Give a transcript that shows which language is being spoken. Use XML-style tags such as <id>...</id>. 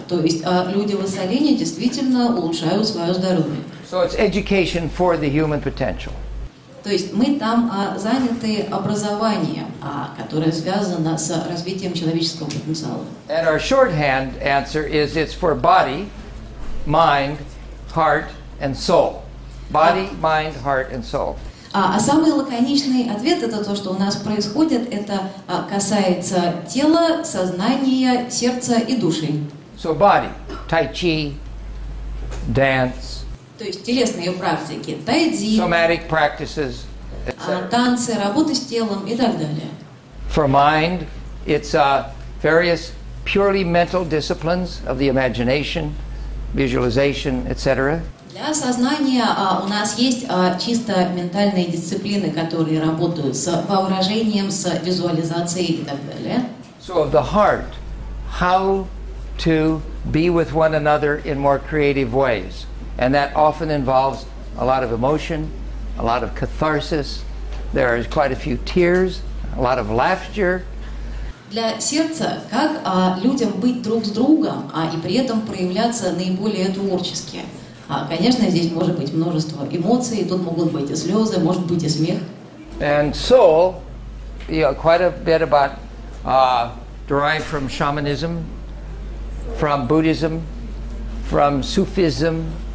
<ru>То есть люди в Эссалене действительно улучшают свое здоровье.</ru> <en>So it's education for the human potential.</en> <ru>То есть мы там заняты образованием, которое связано с развитием человеческого потенциала.</ru> <en>And our shorthand answer is it's for body, mind, heart and soul. Body, mind, heart and soul.</en> <ru>А самый лаконичный ответ это то, что у нас происходит, это касается тела, сознания, сердца и души.</ru> <en>So body, tai chi, dance.</en> <ru>То есть телесные практики, тайдзи,</ru> <en>somatic practices,</en> <ru>танцы, работы с телом и так далее.</ru> <en>For mind, it's various purely mental disciplines of the imagination, visualization, etc.</en> <ru>Для сознания у нас есть чисто ментальные дисциплины, которые работают с воображением, с визуализацией и так далее.</ru> <en>So of the heart, how to be with one another in more creative ways. And that often involves a lot of emotion, a lot of catharsis. There is quite a few tears, a lot of laughter.</en> <ru>Для сердца, как людям быть друг с другом, и при этом проявляться наиболее творчески. Конечно, здесь может быть множество эмоций, тут могут быть и слезы, может быть и смех.</ru> <en>And soul, quite a bit about derived from shamanism, from Buddhism, from Sufism.</en>